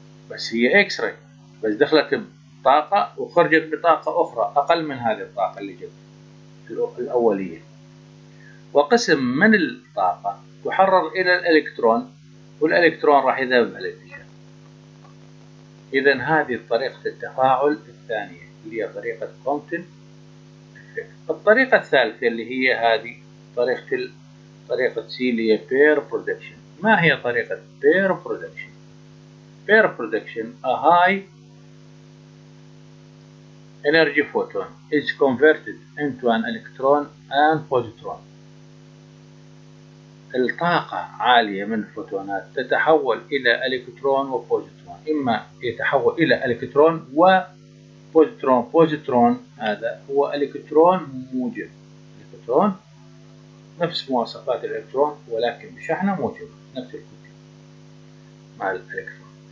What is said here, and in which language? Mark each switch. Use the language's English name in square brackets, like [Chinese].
[Arabic] بس هي إكس راي، بس دخلت بطاقة وخرجت بطاقة أخرى أقل من هذه الطاقة اللي جت الأولية، وقسم من الطاقة تحرر إلى الإلكترون والإلكترون راح يذهب بهالاتجاه. إذن هذه طريقة التفاعل الثانية اللي هي طريقة كومبتون إفكت. الطريقة الثالثة اللي هي هذه طريقة سي اللي هي بير برودكشن. ما هي طريقة بير برودكشن؟ بير برودكشن [English] a high energy photon is converted into an electron and positron. [Arabic] الطاقة عالية من الفوتونات تتحول إلى إلكترون وبوزيترون، إما يتحول إلى إلكترون وبوزيترون. بوزيترون هذا هو إلكترون موجب، إلكترون نفس مواصفات الإلكترون ولكن بشحنة موجبة نفس الكتلة مع الإلكترون.